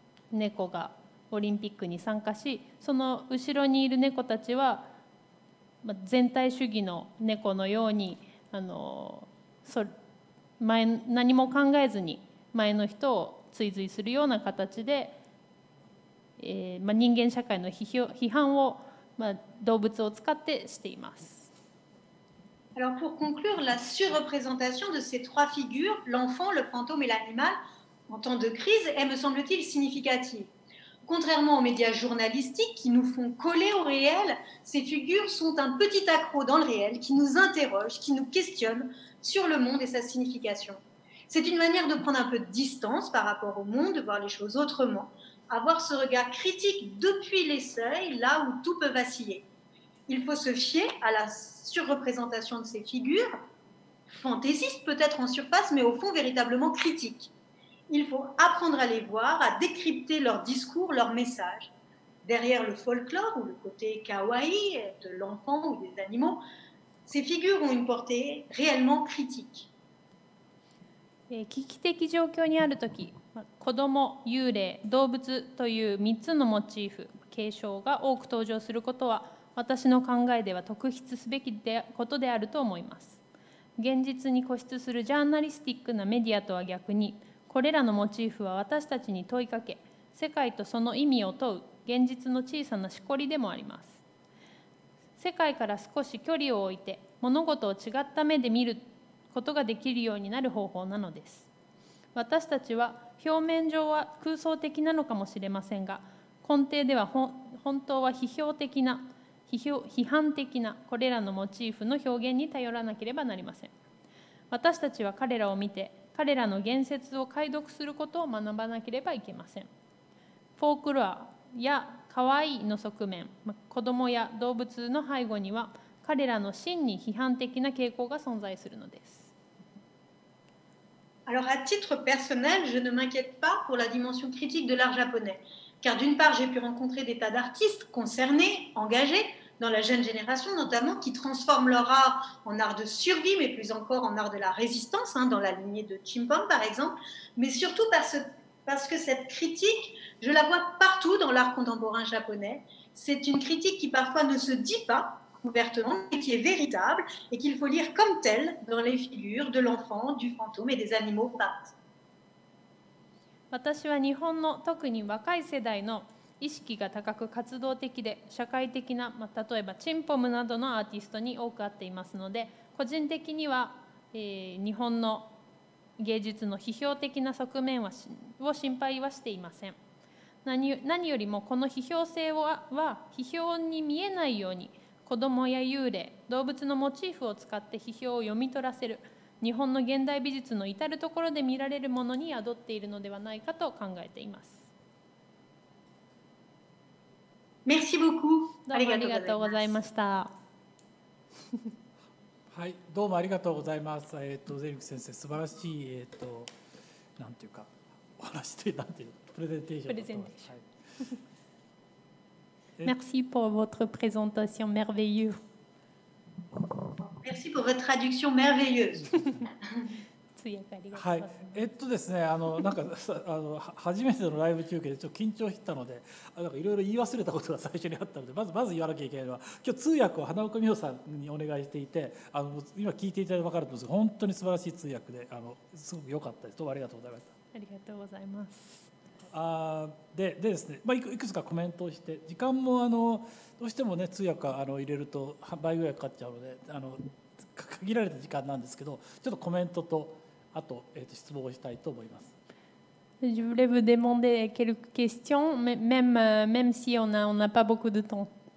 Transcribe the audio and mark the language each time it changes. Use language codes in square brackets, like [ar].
[ja] 猫がオリンピックに参加し、その後ろにいる猫たちは、全体主義の猫のように、何も考えずに前の人を追随するような形で、人間社会の批判を、動物を使ってしています。 [fr] Alors pour conclure, la surreprésentation de ces trois figures, l'enfant, le fantôme et l'animal, en temps de crise, est, me semble-t-il, significative. Contrairement aux médias journalistiques qui nous font coller au réel, ces figures sont un petit accroc dans le réel qui nous interroge, qui nous questionne sur le monde et sa signification. C'est une manière de prendre un peu de distance par rapport au monde, de voir les choses autrement, avoir ce regard critique depuis les seuils, là où tout peut vaciller. Il faut se fier à la surreprésentation de ces figures, fantaisistes peut-être en surface, mais au fond véritablement critiques. Il faut apprendre à les voir, à décrypter leurs discours, leurs messages. Derrière le folklore ou le côté kawaii de l'enfant ou des animaux, ces figures ont une portée réellement critique. [ja] 危機的状況にあるとき、子ども、幽霊、動物という3つのモチーフ、継承が多く登場することは、私の考えでは特筆すべきことであると思います。現実に固執するジャーナリスティックなメディアとは逆に、これらのモチーフは私たちに問いかけ、世界とその意味を問う現実の小さなしこりでもあります。世界から少し距離を置いて、物事を違った目で見ることができるようになる方法なのです。私たちは表面上は空想的なのかもしれませんが、根底では本当は批評的な、批判的なこれらのモチーフの表現に頼らなければなりません。私たちは彼らを見て、彼らの言説を解読することを学ばなければいけません。フォークロアや可愛いの側面、子どもや動物の背後には、彼らの真に批判的な傾向が存在するのです。 [fr] Alors, à titre personnel, je ne m'inquiète pas pour la dimension critique de l'art japonais. Car d'une part, j'ai pu rencontrer des tas d'artistes concernés, engagés, dans la jeune génération notamment, qui transforment leur art en art de survie, mais plus encore en art de la résistance, hein, dans la lignée de Chimpom par exemple. Mais surtout parce que cette critique, je la vois partout dans l'art contemporain japonais. C'est une critique qui parfois ne se dit pas ouvertement, mais qui est véritable, et qu'il faut lire comme telle dans les figures de l'enfant, du fantôme et des animaux peints. [ja] 私は日本の特に若い世代の意識が高く活動的で社会的な、まあ、例えばチンポムなどのアーティストに多く会っていますので、個人的には、日本の芸術の批評的な側面はを心配はしていません。何よりもこの批評性は批評に見えないように子どもや幽霊、動物のモチーフを使って批評を読み取らせる日本の現代美術の至るところで見られるものに宿っているのではないかと考えています。 [fr] Merci beaucoup. [ja] どうもありがとうございました。はい、どうもありがとうございます。ゼリク先生、素晴らしい、なんていうか、お話というなんていうか、プレゼンテーションだと思います。 [fr] Merci pour votre présentation merveilleuse. Merci pour votre traduction merveilleuse. [ja] はい、ですね、なんか初めてのライブ中継でちょっと緊張したので、なんかいろいろ言い忘れたことが最初にあったので、まず言わなきゃいけないのは、今日通訳を花岡美穂さんにお願いしていて、今聞いていただいて分かると思うんですけど、本当に素晴らしい通訳で、すごく良かったです。どうもありがとうございました。ありがとうございます。でですね、まあ、いくつかコメントをして、時間もどうしても、ね、通訳を入れると倍ぐらいかかっちゃうので、限られた時間なんですけど、ちょっとコメントとあと、質問をしたいと思います。 [fr] Je voulais vous demander quelques questions, même si on a pas beaucoup de temps.